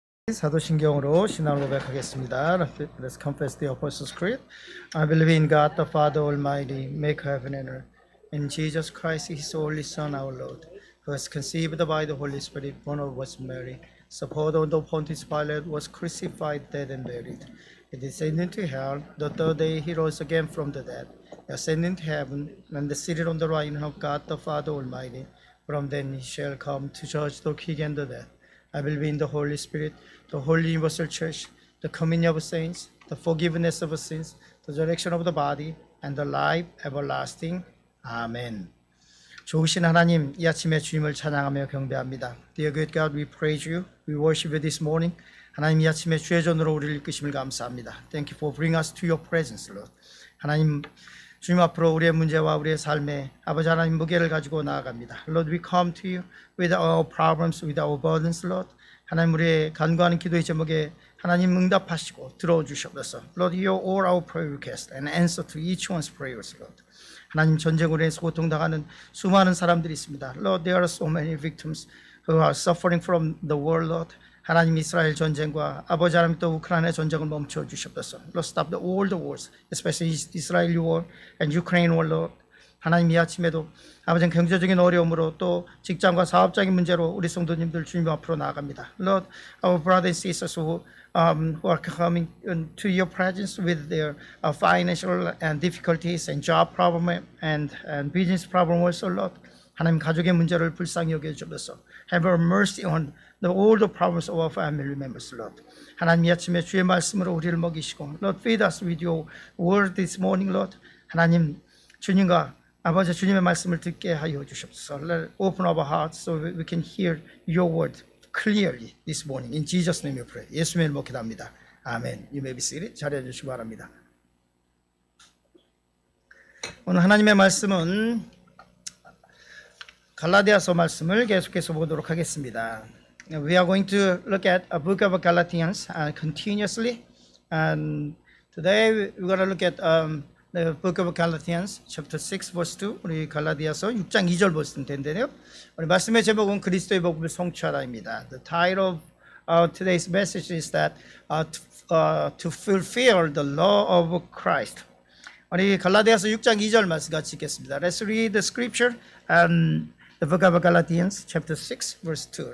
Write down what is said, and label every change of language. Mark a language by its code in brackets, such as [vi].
[ko] 사도신경으로 신앙을 고백하겠습니다. [en] Let's confess the Apostles' Creed. I believe in God, the Father Almighty, maker of heaven and earth, in Jesus Christ, his only Son, our Lord, who was conceived by the Holy Spirit, born of Mary, suffered under Pontius Pilate, was crucified, dead, and buried. He descended into hell. The third day he rose again from the dead. He ascended into heaven and is seated on the right hand of God, the Father Almighty. From then he shall come to judge the quick and the dead. I believe in the Holy Spirit, the Holy Universal Church, the communion of saints, the forgiveness of sins, the resurrection of the body, and the life everlasting. Amen. [ko] 좋으신 하나님, 이 아침에 주님을 찬양하며 경배합니다. [en] Dear good God, we praise you. We worship you this morning. [ko] 하나님, 이 아침에 주의 전으로 우리를 이끄심을 감사합니다. [en] Thank you for bringing us to your presence, Lord. [ko] 하나님, 주님 앞으로 우리의 문제와 우리의 삶에 아버지 하나님 무게를 가지고 나아갑니다. [en] Lord, we come to you with our problems, with our burdens, Lord. [ko] 하나님, 우리의 간구하는 기도의 제목에 하나님 응답하시고 들어주셔서 [en] Lord, hear all our prayer requests and answer to each one's prayers, Lord. [ko] 하나님, 전쟁으로 인해서 고통당하는 수많은 사람들이 있습니다. [en] Lord, there are so many victims who are suffering from the war, Lord. [ko] 하나님, 이스라엘 전쟁과 아버지 하나님 또 우크라이나 전쟁을 멈춰 주셨소서. [en] Lord, stop all the wars, especially Israel war and Ukraine war, Lord. [ko] 하나님, 이 아침에도 아버지 경제적인 어려움으로 또 직장과 사업적인 문제로 우리 성도님들 주님 앞으로 나아갑니다. [en] Lord, our brothers and sisters who are coming to your presence with their financial and difficulties and job problem and business problem also, Lord. [ko] 하나님, 가족의 문제를 불쌍히 여겨 주셨소서. [en] Have a mercy on all the problems of our family members, Lord. [ko] 하나님, 이 아침에 주의 말씀으로 우리를 먹이시고 [en] Lord, feed us with your word this morning, Lord. [ko] 하나님, 주님과 아버지 주님의 말씀을 듣게 하여 주시옵소서. [en] Let open our hearts so we can hear your word clearly this morning. In Jesus' name we pray. [ko] 예수님의 이름으로 기도합니다. 아멘. [en] You may be seated. [ko] 자리해 주시기 바랍니다. 오늘 하나님의 말씀은 갈라디아서 말씀을 계속해서 보도록 하겠습니다. [en] We are going to look at a book of Galatians continuously. And today we're going to look at the book of Galatians, chapter 6, verse 2. [ko] 우리 갈라디아서 6장 2절 보시면 된대요. 우리 말씀의 제목은 그리스도의 복음을 성취하라입니다. [en] The title of today's message is that to fulfill the law of Christ. [ko] 우리 갈라디아서 6장 2절 말씀 같이 읽겠습니다. [en] Let's read the scripture and The book of Galatians, chapter 6, verse 2.